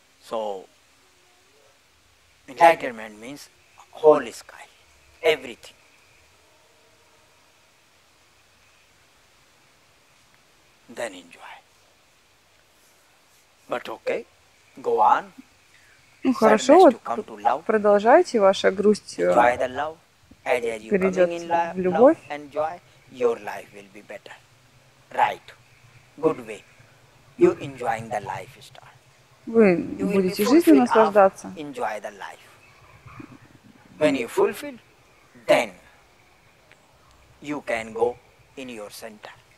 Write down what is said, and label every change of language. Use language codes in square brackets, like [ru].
[en] So, enlightenment means holy sky, everything. Then enjoy. But okay, go on. [ru] Ну хорошо, вот продолжайте ваша грусть. [en] Enjoy the love. As you coming in love and joy, your life will be better. Right, good way. You enjoying the life star. [ru] Вы будете жизнью наслаждаться. [en] Enjoy the life. When you fulfill, then you can go in your center.